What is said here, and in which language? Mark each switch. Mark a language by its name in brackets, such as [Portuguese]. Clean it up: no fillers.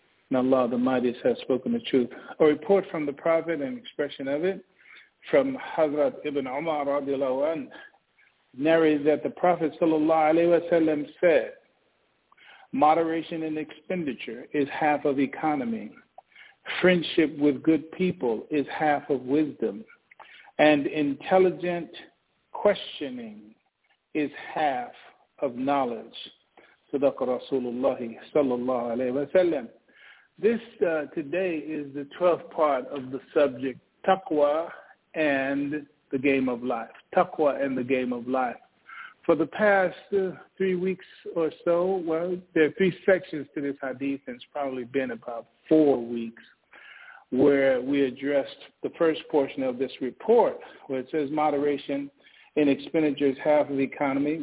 [English] And Allah the Mightiest has spoken the truth. A report from the Prophet, an expression of it, from Hazrat Ibn Umar radiallahu anhu, narrates that the Prophet sallallahu alaihi wasallam said, moderation in expenditure is half of economy. Friendship with good people is half of wisdom. And intelligent questioning is half of knowledge. So [Arabic] صدق رسول الله صلى الله عليه وسلم. [English] This today is the 12th part of the subject Taqwa and the Game of Life. Taqwa and the Game of Life. For the past 3 weeks or so, well, there are three sections to this hadith, and it's probably been about 4 weeks, where we addressed the first portion of this report, where it says moderation in expenditures, half of the economy.